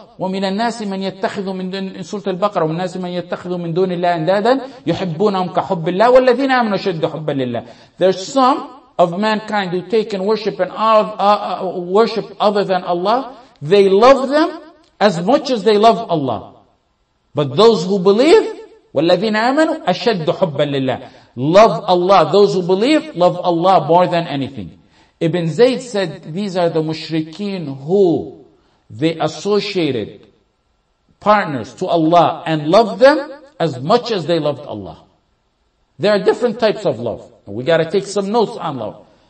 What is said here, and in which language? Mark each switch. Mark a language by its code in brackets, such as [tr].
[ar] وَمِنَ النَّاسِ مَنْ يَتَّخِذُ مِنْ دُونِ سُورَةِ الْبَقَرَةِ وَالنَّاسِ مَنْ يَتَّخِذُ مِنْ دُونِ اللَّهِ أَنْدَادًا يُحِبُّونَهُمْ كَحُبِّ اللَّهِ وَالَّذِينَ آمَنُوا أَشَدُّ حُبًّا لِلَّهِ. [en] There's some of mankind who take and worship and worship other than Allah. They love them as much as they love Allah. But those who believe, [ar] وَالَّذِينَ آمَنُوا أَشَدُّ حُبًّا لِلَّهِ. [en] Love Allah. Those who believe love Allah more than anything. Ibn Zayd said, these are the mushrikeen who they associated partners to Allah and loved them as much as they loved Allah. There are different types of love. We gotta take some notes on love.